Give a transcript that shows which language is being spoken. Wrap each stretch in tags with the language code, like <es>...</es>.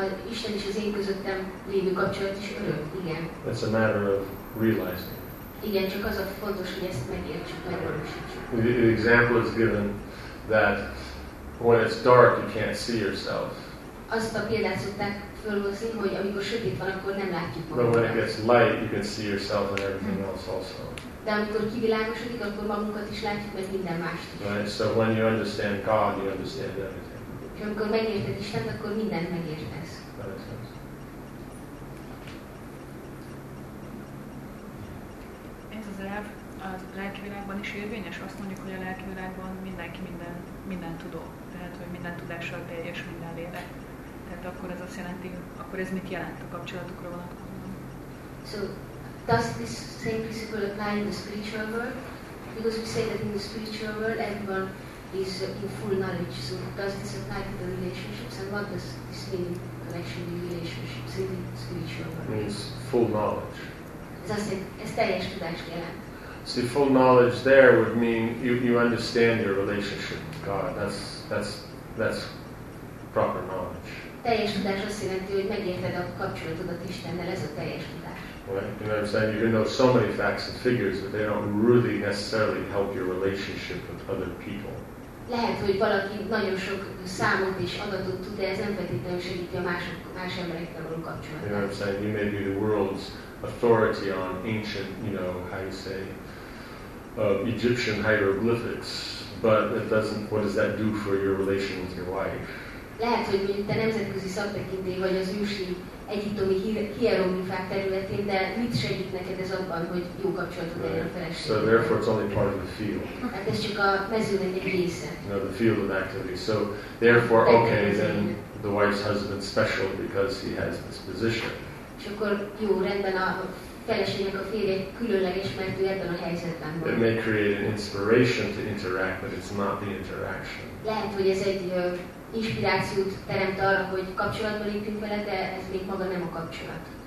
<hu>Isten és az én közöttem lévő kapcsolat is örök, igen.</hu> <en>It's a matter of realizing.</en> <hu>Igen, csak az a fontos, hogy ezt megértsük, megvalósítsuk.</hu> <en>The example is given that when it's dark, you can't see yourself.</en> <hu>Azt a példát szokták fölhozni, hogy amikor sötét van, akkor nem látjuk magunkat.</hu> <en>But when it gets light, you can see yourself and everything else also.</en> <hu>De amikor kivilágosodik, akkor magunkat is látjuk, meg minden mást is.</hu> <en>Right. So when you understand God, you understand everything.</en> <hu>És amikor megérted Istent, akkor mindent megértesz. Ez az elv a lelkivilágban is érvényes? Azt mondjuk, hogy a lelkivilágban mindenki minden tudó. Tehát, hogy minden tudással teljes minden lélek. Tehát akkor ez azt jelenti, akkor ez mit jelent a kapcsolatukra vonatkozóan?</hu> <en>So, does this same principle apply in the spiritual world? Because we say that in the spiritual world, everyone is in full knowledge. So does this apply to the relationships? And what does this mean in connection with relationships in the spiritual world? It means full knowledge.</en> <hu>Ez teljes tudás jelent.</hu> <en>See, full knowledge there would mean you understand your relationship with God. That's proper knowledge.</en> <hu>Teljes tudás azt jelenti, hogy megérted a kapcsolatodat Istennel, ez a teljes tudás.</hu> <en>Right. You know what I'm saying? You can know so many facts and figures, but they don't really necessarily help your relationship with other people.</en> <hu>Lehet, hogy valaki nagyon sok számot és adatot tud, de ez nem feltétlenül segíti a más emberekkel való kapcsolatot.</hu> <en>You know what I'm saying? You may be the world's authority on ancient, you know, how you say, Egyptian hieroglyphics, but it doesn't. What does that do for your relation with your wife?</en> <hu>Lehet, hogy mondjuk te nemzetközi szaktekintély vagy az ősi egyiptomi hieroglifák területén, de mit segít neked ez abban, hogy jó kapcsolatod legyen a feleségével?</hu> <en>So therefore it's only part of the field.</en> <hu>Hát ez csak a mezőnek része.</hu> <en>No, the field of activity. So therefore, okay, then the wife's husband's special because he has this position.</en> <hu>És akkor jó, rendben a feleségnek a férje különleges, mert ő ebben a helyzetben van.</hu> <en>It may create an inspiration to interact, but it's not the interaction.</en> <hu>Lehet, hogy ez egy inspirációt teremt arra, hogy kapcsolatba lépjünk vele, de ez még maga nem a kapcsolat.</hu>